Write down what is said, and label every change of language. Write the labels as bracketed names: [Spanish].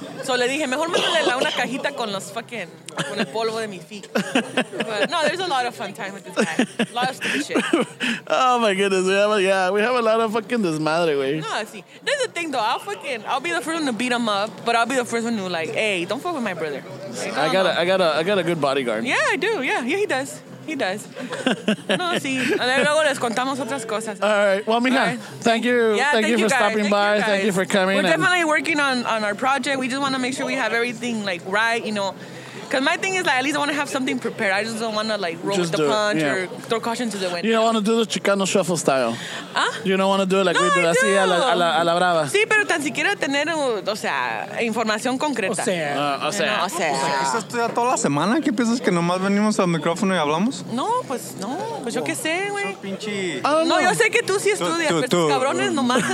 [Spanish] So le dije, mejor métele la una cajita con los fucking, con el polvo de mi [English] feet. But, no, there's a lot of fun time with this guy. A lot of stupid shit. Oh my goodness, we have a lot of fucking desmadre, güey. No, see, there's a thing though, I'll be the first one to beat him up, but I'll be the first one to like, hey, don't fuck with my brother. Okay, I got a good bodyguard. Yeah, I do, yeah, he does. He does. [Spanish] No, sí. Luego les contamos otras cosas. [English] All right. Well, mija, thank you for stopping by. Thank you for coming. We're definitely working on our project. We just want to make sure we have everything, like, right, you know. Because my thing is, like, at least I want to have something prepared. I just don't want to, like, roll just with the punch or throw caution to the wind. You don't want to do the Chicano Shuffle style. Huh? You don't want to do it like no, we do. I do. [Spanish] Así a la brava. Sí, pero tan siquiera tener, o sea, información concreta. O sea. ¿Esto ya toda la semana? ¿Qué piensas que nomás venimos al micrófono y hablamos? No, pues yo qué sé, güey. Son pinche... No, yo sé que tú sí estudias, pero estos cabrones nomás...